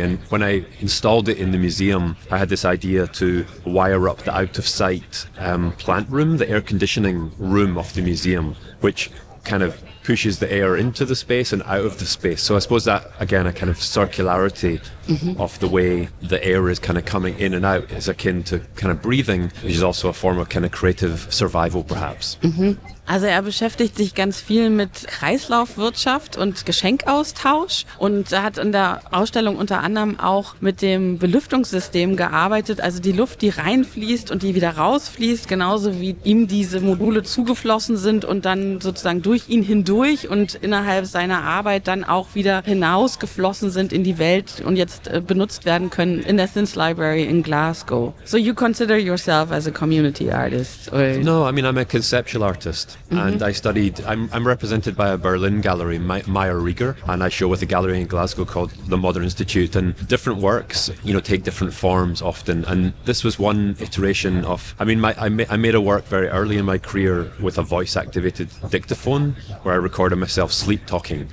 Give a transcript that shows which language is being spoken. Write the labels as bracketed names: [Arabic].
[English] And when I installed it in the museum, I had this idea to wire up the out of sight plant room, the air conditioning room of the museum, which kind of pushes the air into the space and out of the space. So I suppose that, again, a kind of circularity mm-hmm. of the way the air is kind of coming in and out is akin to kind of breathing, which is also a form of kind of creative survival, perhaps. Mm-hmm. [German] Also er beschäftigt sich ganz viel mit Kreislaufwirtschaft und Geschenkaustausch und hat in der Ausstellung unter anderem auch mit dem Belüftungssystem gearbeitet, also die Luft, die reinfließt und die wieder rausfließt, genauso wie ihm diese Module zugeflossen sind und dann sozusagen durch ihn hindurch und innerhalb seiner Arbeit dann auch wieder hinausgeflossen sind in die Welt und jetzt benutzt werden können in der Synth Library in Glasgow. [English] So you consider yourself as a community artist? Or? No, I mean I'm a conceptual artist. Mm-hmm. And I studied, I'm represented by a Berlin gallery, Meyer Rieger, and I show with a gallery in Glasgow called the Modern Institute. And different works, you know, take different forms often. And this was one iteration of, I mean, I made a work very early in my career with a voice-activated dictaphone where I recorded myself sleep-talking.